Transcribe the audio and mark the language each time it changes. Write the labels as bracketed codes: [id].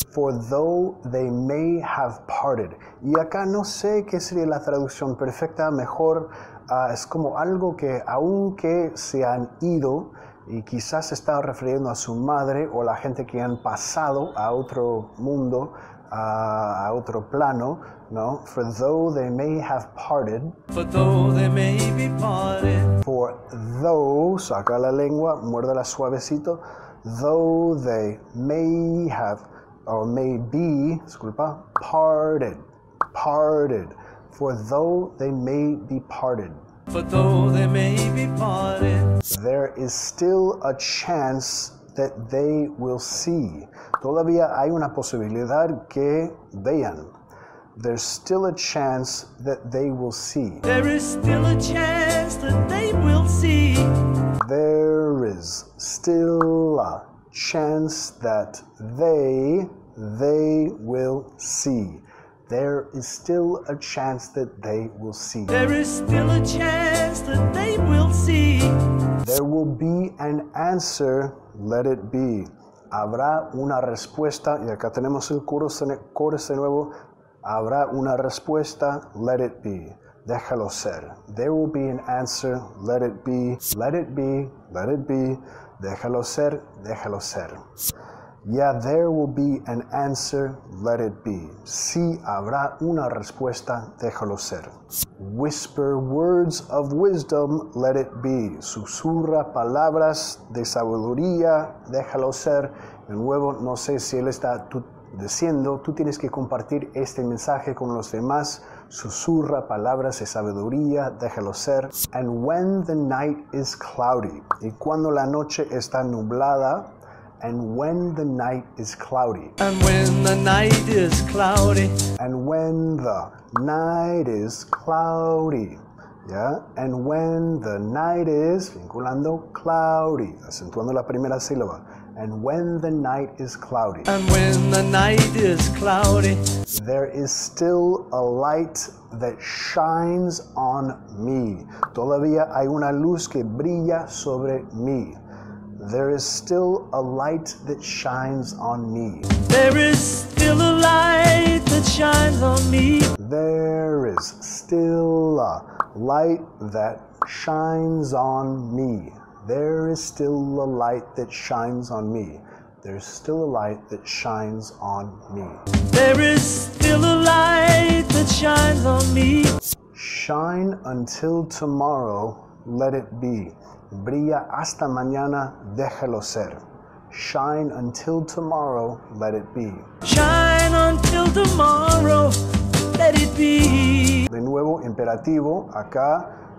[en] For though they may have parted. [es] Y acá no sé qué sería la traducción perfecta. Mejor es como algo que aunque se han ido, y quizás está refiriendo a su madre o la gente que han pasado a otro mundo, a otro plano, ¿no? [en] For though they may have parted. For though they may be parted. For though, [es] saca la lengua, muérdela suavecito. [en] Though they may have, or may be, [es] disculpa, [en] parted. Parted. For though they may be parted. For though they may be parted, there is still a chance that they will see. [es] Todavía hay una posibilidad que vean. [en] There's still a chance that they will see. There is still a chance that they will see. There is still a chance that they will see. There is still a chance that they will see. There is still a chance that they will see. There will be an answer, let it be. [es] Habrá una respuesta, y acá tenemos el coro de nuevo. Habrá una respuesta, [en] let it be. [es] Déjalo ser. [en] There will be an answer, let it be. Let it be, let it be. [es] Déjalo ser, déjalo ser. [en] Yeah, there will be an answer, let it be. [es] Sí, habrá una respuesta, déjalo ser. [en] Whisper words of wisdom, let it be. [es] Susurra palabras de sabiduría, déjalo ser. De nuevo, no sé si él está diciendo, tú tienes que compartir este mensaje con los demás. Susurra palabras de sabiduría, déjalo ser. [en] And when the night is cloudy, [es] y cuando la noche está nublada, [en] and when the night is cloudy. And when the night is cloudy. And when the night is cloudy. Yeah? And when the night is, [es] vinculando, [en] cloudy. [es] Acentuando la primera sílaba. [en] And when the night is cloudy. And when the night is cloudy. There is still a light that shines on me. [es] Todavía hay una luz que brilla sobre mí. [en] There is still a light that shines on me. There is still a light that shines on me. There is still a light that shines on me. There is still a light that shines on me. There is still a light that shines on me. There is still a light that shines on me. Shine until tomorrow, let it be. [es] Brilla hasta mañana, déjalo ser. [en] Shine until tomorrow, let it be. Shine until tomorrow, let it be. [es] De nuevo, imperativo, acá.